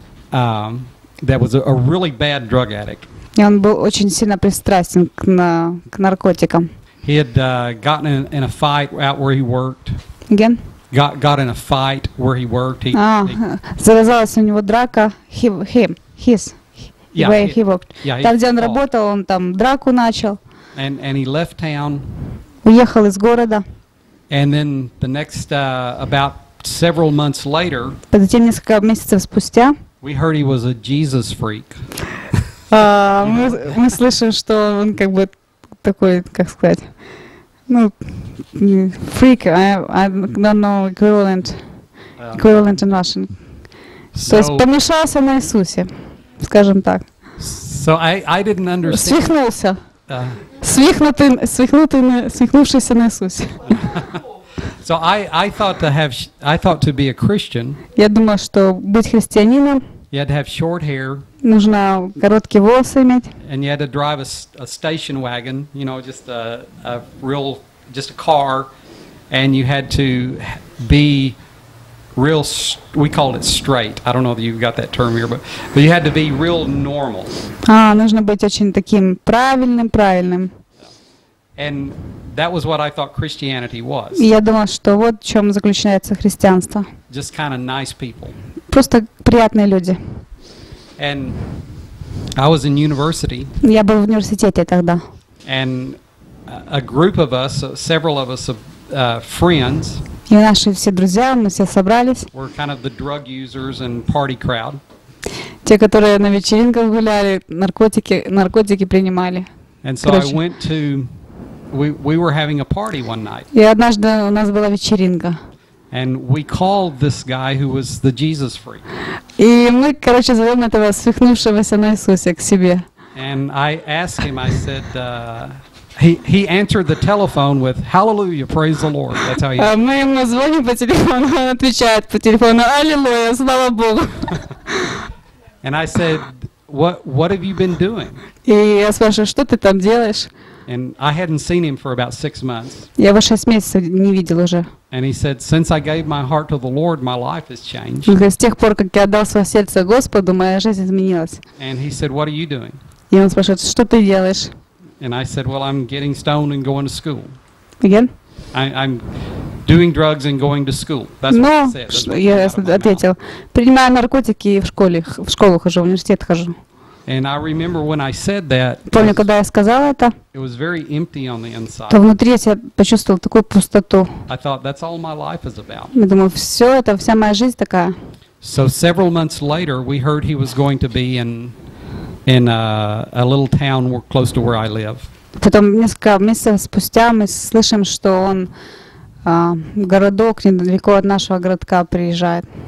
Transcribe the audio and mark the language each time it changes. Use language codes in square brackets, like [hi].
[en] That was a really bad drug addict. [ru] И он был очень сильно пристрастен к наркотикам. [en] He had gotten in a fight out where he worked. Again? Got in a fight where he worked. [ru] Завязалась у него драка. [en] He worked. Yeah, [ru] там, где он работал, он там драку начал. [en] And he left town. [ru] Уехал из города. [en] And then the next about several months later. [ru] Затем несколько месяцев спустя. [en] We heard he was a Jesus freak. [ru] мы слышим, что он как бы такой, как сказать, ну, [en] freak, I don't know equivalent in Russian. [ru] То есть помешался на Иисусе, скажем так. [en] So I didn't understand. [ru] Свихнулся. Свихнувшийся на Иисусе. [en] So I thought to be a Christian. [ru] Я думал, что быть христианином. [en] You had to have short hair. [ru] Нужно короткие волосы иметь. [en] And you had to drive a station wagon, you know, just a real car, and you had to be real. We called it straight. I don't know if you've got that term here, but you had to be real normal. [ru] Нужно быть очень таким правильным. [en] And that was what I thought Christianity was. [ru] Я думал, что вот в чем заключается христианство. [en] Just kind of nice people. [ru] Просто приятные люди. [en] And I was in university. [ru] Я был в университете тогда. [en] And a group of us, several of us, friends. [ru] И наши все друзья, мы все собрались. [en] Were kind of the drug users and party crowd. [ru] Те, которые на вечеринках гуляли, наркотики принимали. [en] And so I went to. We were having a party one night. [ru] И однажды у нас была вечеринка. [en] And we called this guy who was the Jesus freak. [ru] И мы, короче, зовем этого свихнувшегося на Иисусе к себе. [en] And I asked him. I said, he answered the telephone with "Hallelujah, praise the Lord." That's how he. [ru] Мы ему звоним по телефону, он отвечает по телефону: "Аллилуйя, слава Богу." [en] And I said, "What have you been doing?" [ru] И я спрашиваю, что ты там делаешь? [en] And I hadn't seen him for about 6 months. [ru] Я его 6 месяцев не видел уже. [en] And he said, since I gave my heart to the Lord, my life has changed. [ru] Он говорит, с тех пор, как я отдал свое сердце Господу, моя жизнь изменилась. [en] And he said, what are you doing? [ru] И он спрашивает, что ты делаешь? [en] And I said, well, I'm getting stoned and going to school. Again? I'm doing drugs and going to school. That's [ru] Но, [en] what he said. [ru] Я ответил, принимаю наркотики и в школу хожу, в университет хожу. [en] And I remember when I said that. [ru] Помню, когда я сказал это. [en] It was very empty on the inside. [ru] То внутри я себя почувствовал такую пустоту. [en] I thought that's all my life is about. [ru] Я думал, все это вся моя жизнь такая. [en] So several months later, we heard he was going to be in a little town close to where I live. [ru] Потом несколько месяцев спустя мы слышим, что он городок недалеко от нашего городка приезжает.